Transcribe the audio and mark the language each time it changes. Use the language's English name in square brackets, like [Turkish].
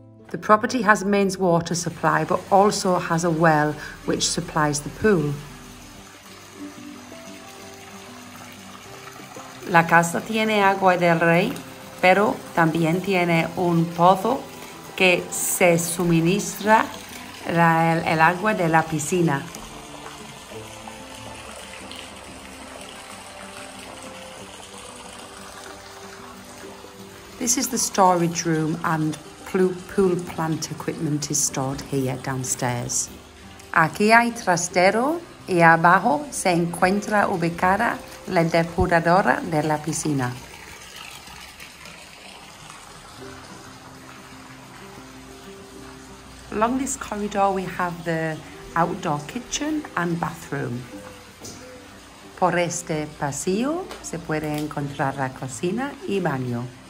[English] The property has a mains water supply, but also has a well which supplies the pool. [Spanish] La casa tiene agua del rey, pero también tiene un pozo que se suministra el agua de la piscina. [English] This is the storage room and pool plant equipment is stored here downstairs. [Spanish] Aquí hay trastero y abajo se encuentra ubicada la depuradora de la piscina. [English] Along this corridor we have the outdoor kitchen and bathroom. [Spanish] Por este pasillo se puede encontrar la cocina y baño.